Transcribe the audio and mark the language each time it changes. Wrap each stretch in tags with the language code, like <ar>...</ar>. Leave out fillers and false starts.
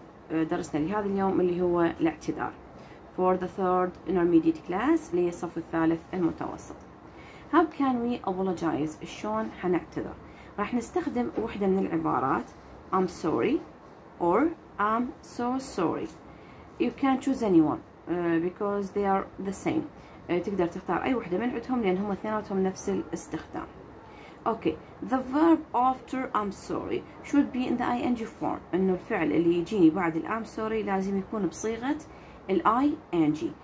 <ar>درسنا لهذا اليوم اللي هو الاعتذار.</ar> <en>For the third intermediate class,</en> <ar>اللي هي الصف الثالث المتوسط.</ar> <en>How can we apologize?</en> <ar>شلون حنعتذر؟ راح نستخدم وحدة من العبارات</ar> <en>I'm sorry or I'm so sorry. You can choose anyone because they are the same.</en> <ar>تقدر تختار أي وحدة من عندهم لأن هم اثنيناتهم نفس الاستخدام.</ar> <en>Okay, the verb after I'm sorry should be in the ing form.</en> <ar>إنه الفعل اللي يجيني بعد الـ I'm sorry لازم يكون بصيغة الـ ing.</ar>